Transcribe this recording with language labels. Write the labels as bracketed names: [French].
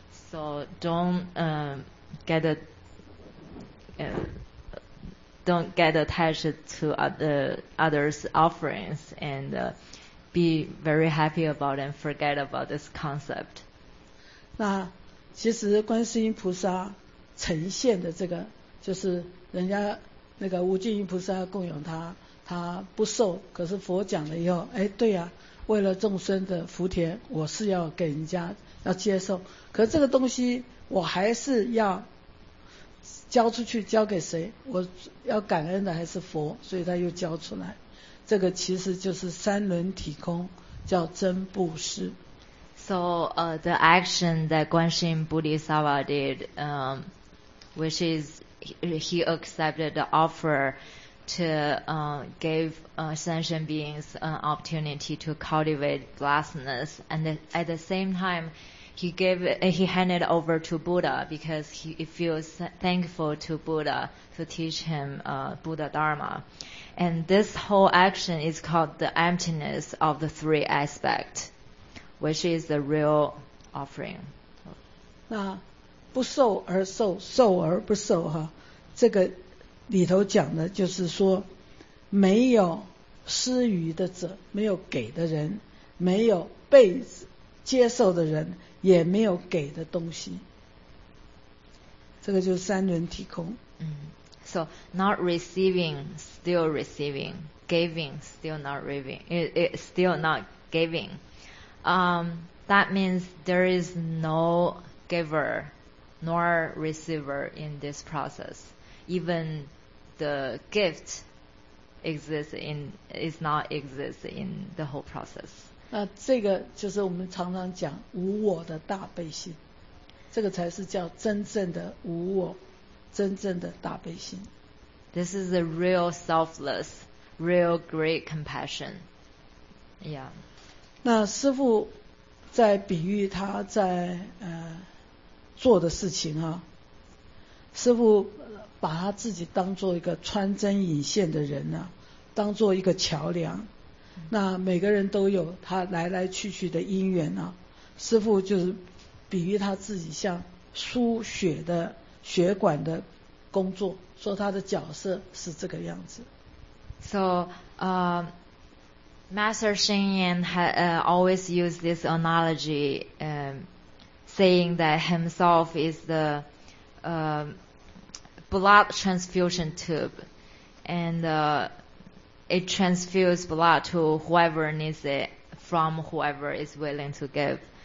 [English] So don't get attached to others' offerings and be very happy about and forget about this concept. [Chinese] 那其实观世音菩萨呈现的这个，就是人家那个无尽音菩萨供养他，他不受。可是佛讲了以后，哎，对呀，为了众生的福田，我是要给人家要接受。可是这个东西，我还是要。交出去交给谁，我要感恩的还是佛，所以他又交出来。这个其实就是三轮体空，叫真布施。 [English] So, the action that Guanxin Bodhisattva did, which is he accepted the offer to give sentient beings an opportunity to cultivate blessedness, and at the same time, he handed over to Buddha because he feels thankful to Buddha to teach him Buddha Dharma. And this whole action is called the emptiness of the three aspects, which is the real offering. [Chinese] 那不受而受，受而不受哈，这个里头讲的就是说，没有施予的者，没有给的人，没有被接受的人，也没有给的东西。这个就是三轮体空。 [English] So not receiving, still receiving, giving, still not giving, it still not giving. That means there is no giver nor receiver in this process. Even the gift is not exist in the whole process. [Chinese] 那这个就是我们常常讲无我的大悲心，这个才是叫真正的无我。真正的大悲心。 [English] This is a real selfless, real great compassion. Yeah. [Chinese] 那师父在比喻他在做的事情啊，师父把他自己当做一个穿针引线的人呢，当做一个桥梁。那每个人都有他来来去去的因缘啊，师父就是比喻他自己像输血的血管的。工作，说他的角色是这个样子。 [English] So, Master Xing Yan had always used this analogy, saying that himself is the blood transfusion tube, and it transfuses blood to whoever needs it from whoever is willing to give.